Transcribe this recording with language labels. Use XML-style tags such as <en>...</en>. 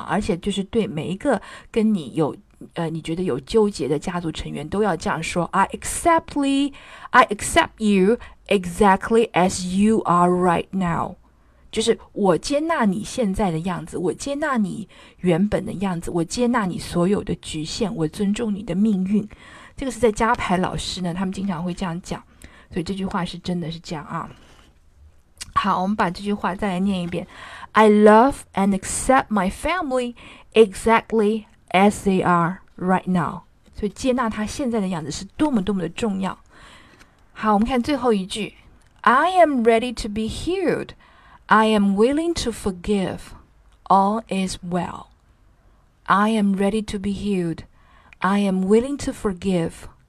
<zh>而且就是对每一个跟你有你觉得有纠结的家族成员都要这样说，</zh> <en>I accept you exactly as you are right now，</en> <zh>就是我接纳你现在的样子，我接纳你原本的样子，我接纳你所有的局限，我尊重你的命运，这个是在加牌老师呢，他们经常会这样讲，所以这句话是真的是这样啊。好，我们把这句话再来念一遍。</zh> <en>I love and accept my family exactly as they are right now.</en> <zh>所以接纳他现在的样子是多么多么的重要。好，我们看最后一句。</zh> <en>I am ready to be healed. I am willing to forgive. All is well. I am ready to be healed. I am willing to forgive.</en>